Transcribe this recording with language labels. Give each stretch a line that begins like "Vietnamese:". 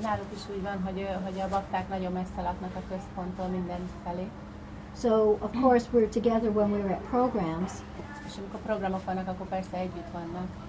Hungarian: Náluk is úgy van, hogy a bakták nagyon messze laknak a központtól minden felé.
English: So of course we're together when we're at programs.
Hungarian: És amikor programok vannak, akkor persze együtt vannak.